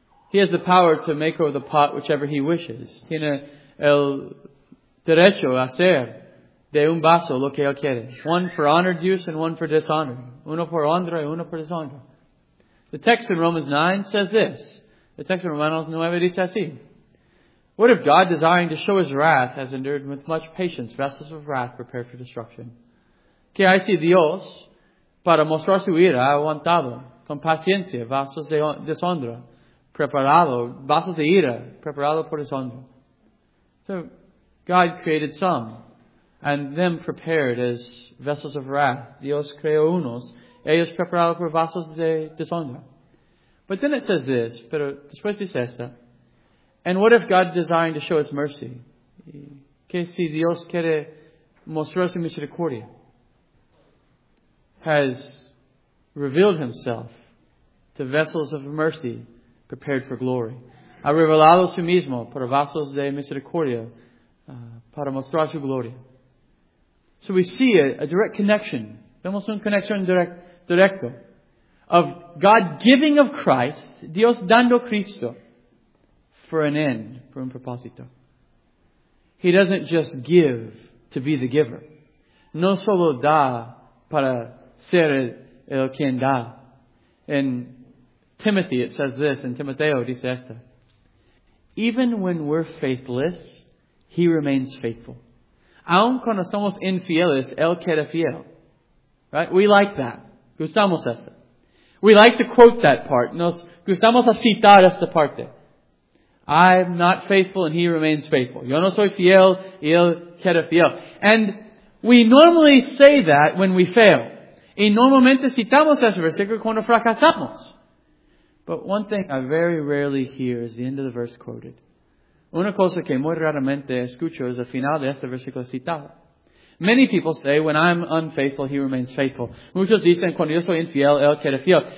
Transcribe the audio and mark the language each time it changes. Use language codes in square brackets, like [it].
[en] He has the power to make of the pot whichever he wishes. [es] Tiene el derecho a hacer de un vaso lo que él quiere. [en] One for honored use and one for dishonor. [es] Uno por honra y uno por deshonra. [en] The text in Romans 9 says this. The text in [es] Romanos 9 dice así. [en] What if God, desiring to show His wrath, has endured with much patience vessels of wrath prepared for destruction? [es] Que hay si Dios, para mostrar su ira, ha aguantado con paciencia vasos de deshonra. Preparado, vasos de ira, preparado por deshonra. [en] So God created some and them prepared as vessels of wrath. [es] Dios creó unos, ellos prepararon por vasos de deshonra. [en] But then it says this, [es] pero después dice esto. [en] And what if God designed to show his mercy? [es] ¿Qué si Dios quiere mostrar su misericordia? [en] Has revealed himself to vessels of mercy prepared for glory. [es] Ha revelado su mismo para vasos de misericordia para mostrar su gloria. [en] So we see a direct connection. [es] Vemos una conexión directo [en] of God giving of Christ, [es] Dios dando Cristo, [en] for an end, for [es] un propósito. [en] He doesn't just give to be the giver. [es] No solo da para ser el quien da. [en] In Timothy, it says this, [es] in Timoteo, dice esto. [en] Even when we're faithless, he remains faithful. [es] Aun cuando somos infieles, él queda fiel. [en] Right? We like that. [es] Gustamos eso. We like to quote that part. Nos gustamos a citar esta parte. [en] I'm not faithful and he remains faithful. [es] Yo no soy fiel y él queda fiel. [en] And we normally say that when we fail. [es] Y normalmente citamos ese versículo cuando fracasamos. [en] But one thing I very rarely hear is the end of the verse quoted. [es] Una cosa que muy raramente escucho es el final de este versículo citado. [en] Many people say, when I'm unfaithful, he remains faithful. [es] Muchos dicen, cuando yo soy infiel, él queda fiel.